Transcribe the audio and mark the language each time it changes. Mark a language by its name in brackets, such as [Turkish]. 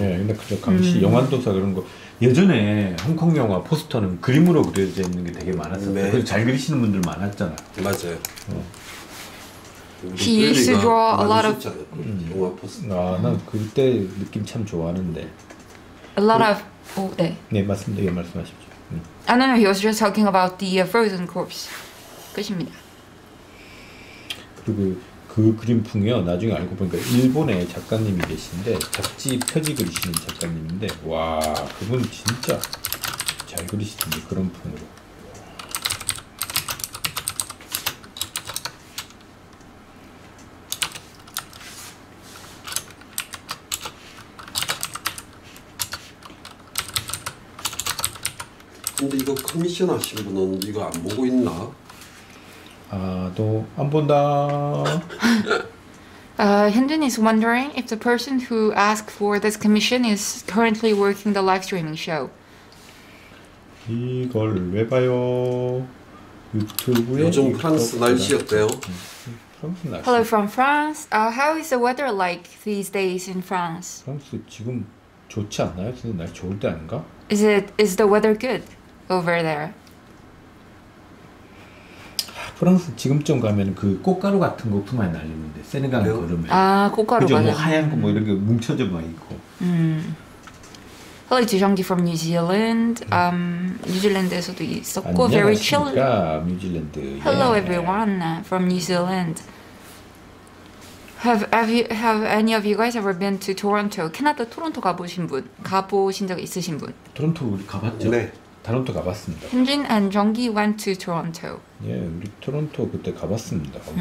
[Korean] 네 근데 그죠 강시 영환도사 그런 거 예전에 홍콩 영화 포스터는 그림으로 그려져 있는 게 되게 많았어요. 네. 그래서 잘 그리시는 분들 많았잖아. 맞아요. 어. [English] He used to draw a lot of [Korean] 영화 포스터. 아, 난 그때 느낌 참 좋아하는데. [English] A lot of 오, 네. [Korean] 네, 맞습니다. 예, 말씀하십시오. [English] 아, no, no. He was just talking about the frozen corpse. [Korean] 끝입니다. 그리고 그 그림풍이요. 나중에 알고 보니까 일본의 작가님이 계신데 잡지 표지 그리시는 작가님인데 와 그분 진짜 잘 그리시던데 그런 풍으로 근데 이거 커미션 하신 분은 이거 안 보고 있나? 아, 또 안 본다. [English] Hyunjin is wondering if the person who asked for this commission is currently working the live streaming show. [Korean] 이걸 왜 봐요? 유튜브에 요즘 프랑스 날씨 어때요? [English] Hello from France. How is the weather like these days in France? [Korean] 프랑스 지금 좋지 않나요? 지금 날 좋을 때 아닌가? [English] Is the weather good over there? [Korean] 프랑스 지금쯤 가면 그 꽃가루 같은 거 품에 날리는데 세네강 네. 걸으면 아 꽃가루 그죠? 뭐 하얀 거 뭐 이런 게 뭉쳐져 막 있고. [English] Hello, Jiangji from New Zealand. [Korean] New Zealand에서도 있었고 [English] very chilly. [Korean] 안녕하십니까, New Zealand. [English] Hello, everyone from New Zealand. Have any of you guys ever been to Toronto? [Korean] 캐나다 토론토 가보신 분, 가보신 적 있으신 분? 토론토 우리 가봤죠. 네. 토론토 가봤습니다. [English] Hyunjin and Jeonggi went to Toronto. [Korean] 예, 우리 토론토 그때 가봤습니다.